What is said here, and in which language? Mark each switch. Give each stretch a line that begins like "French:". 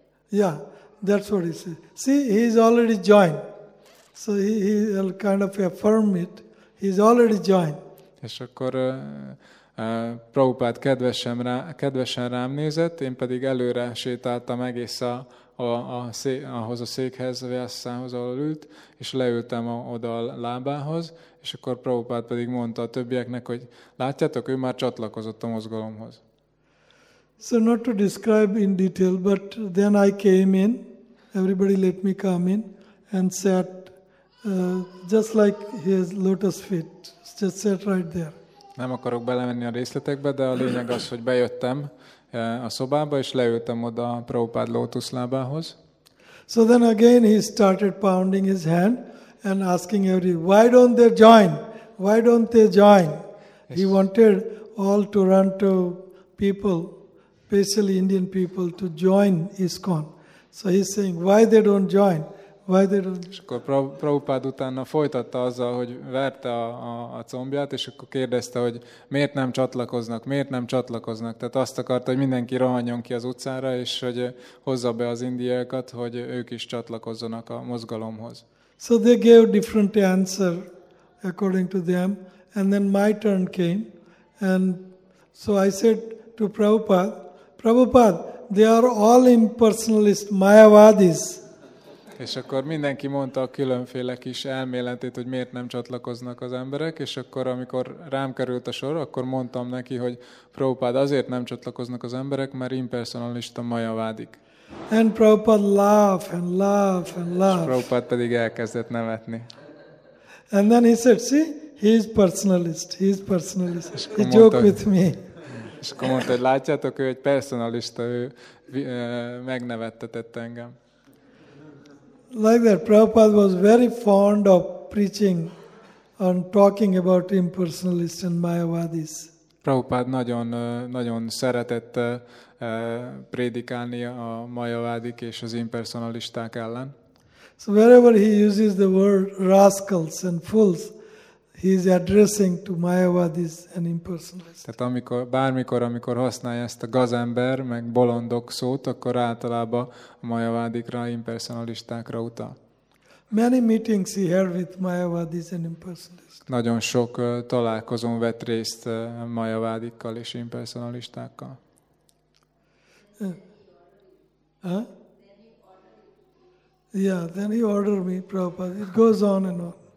English: Yeah, that's what he said. See, he is already joined. So he will kind of affirm it. He is already joined.
Hungarian: És akkor Prabhupada kedvesen rám nézett, én pedig előre sétáltam egész ahhoz a székhez, Vyasszához, ahol ült, és leültem oda a lábához, és akkor Prabhupada pedig mondta a többieknek, hogy látjátok, ő már csatlakozott a mozgalomhoz.
English: So not to describe in detail, but then I came in, everybody let me come in, and sat just like his lotus feet, just sat right there.
Hungarian: Nem akarok belemenni a részletekbe, de a lényeg az, hogy bejöttem a szobába, és leültem oda a Prabhupada lótus lábához.
English: So then again he started pounding his hand and asking everybody, why don't they join? Why don't they join? He wanted all Toronto people, especially Indian people, to join ISKCON. So he's saying, why they don't join? Why they don't?
Hungarian: És akkor Prabhupada utána folytatta azzal, hogy verte a combját, és akkor kérdezte, hogy miért nem csatlakoznak, miért nem csatlakoznak. Tehát azt akarta, hogy mindenki rohanjon ki az utcára, és hogy hozza be az indiaiakat, hogy ők is csatlakozzanak a mozgalomhoz.
English: So they gave different answer according to them, and then my turn came, and so I said to Prabhupada, they are all impersonalist mayavadis.
Hungarian: És akkor mindenki mondta a különféle kis elméletét, hogy miért nem csatlakoznak az emberek, és akkor, amikor rám került a sor, akkor mondtam neki, hogy Prabhupada, azért nem csatlakoznak az emberek, mert impersonalista mayavádik.
English: And Prabhupada laugh and laugh and laugh.
Hungarian: És Prabhupada pedig elkezdett nevetni.
English: And then he said, see, he's personalist. He joke with me.
Hungarian: És akkor mondta, hogy látjátok, ő egy personalista, ő megnevettetett engem.
English: Like that, Prabhupada was very fond of preaching and talking about impersonalists and mayavadis.
Hungarian: Prabhupada nagyon, nagyon szeretett prédikálni a mayavadik és az impersonalisták ellen.
English: So wherever he uses the word rascals and fools, he is addressing to mayavadis and impersonalists.
Hungarian: Tehát amikor használja ezt a gazember meg bolondok szót, akkor általában a mayavadikra, impersonalistákra utal.
English: Many meetings he had with mayavadis and impersonalists.
Hungarian: Nagyon sok találkozón vett részt mayavadikkal és impersonalistákkal.
English: Yeah, then he ordered me, Prabhupada. It goes on and on.